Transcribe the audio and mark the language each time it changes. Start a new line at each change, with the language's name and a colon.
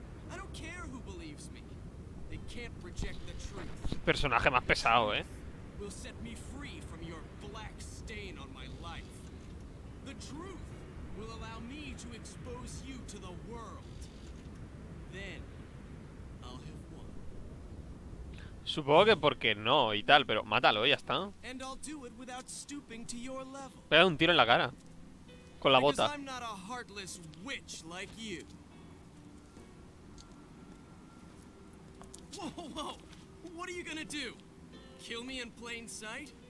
English: I don't care who believes me. They can't reject the truth.
Spanish: Personaje más pesado, ¿eh?
English: Will set me free from your black stain on my life. The truth will allow me to expose you to the world. Then I'll have won.
Spanish: Supongo que porque no y tal, pero mátalo, ya está.
English: And I'll do it without stooping to your level.
Spanish: Pega un tiro en la cara. Con la bota.
English: I'm not a heartless witch like you. Whoa, whoa, what are you gonna do? Kill me in plain sight?